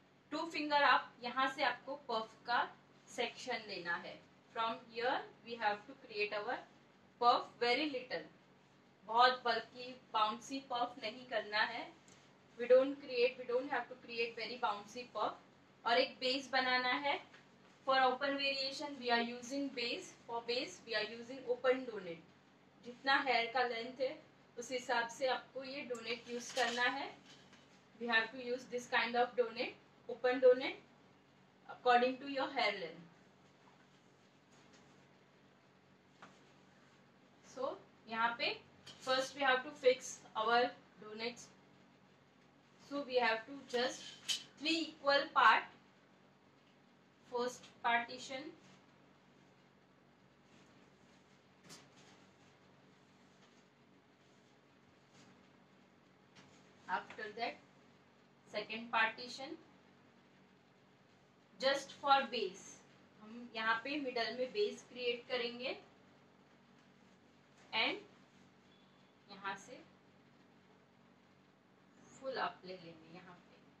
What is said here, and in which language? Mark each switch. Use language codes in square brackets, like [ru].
[en] two finger [hi] आप यहां से आपको पफ का सेक्शन लेना है [en] from here we have to create our puff very little [hi] बहुत बल्कि बाउंसी पफ नहीं करना है [en] we don't have to create very bouncy puff [hi] और एक बेस बनाना है [en] For open variation, we are using base. For base, we are using open donut. [hi] जितना hair का लेंथ है उस हिसाब से आपको ये डोनेट यूज करना है [en] We have to use this kind of donut, open donut, according to your hair length. So, [hi] यहाँ पे [en] first we have to fix our donuts. So, we have to just 3 equal part. First partition after that second partition just for base [hi] हम यहां पे middle में base create करेंगे and यहां से full up ले लेंगे यहां पे